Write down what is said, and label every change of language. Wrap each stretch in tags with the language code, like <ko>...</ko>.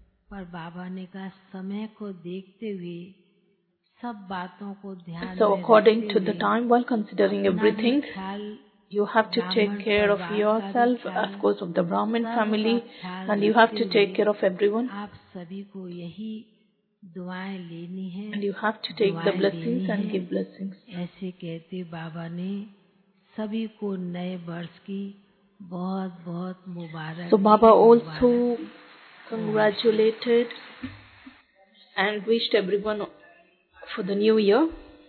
<hi>पर बाबा ने कहा समय को देखते हुए सब बातों को ध्यान</hi> <en>so according to the time while considering everything you have to take care of yourself, of course of the Brahmin family, and you have to take care of everyone.</en> <hi>आप सभी को यही दुआएं लेनी है</hi> <en>and you have to take the blessings and give blessings.</en> <hi>ऐसे कहते बाबा ने सभी को नए वर्ष की बहुत बहुत मुबारक.</hi> <en>So Baba also congratulated and wished everyone for the new year.</en>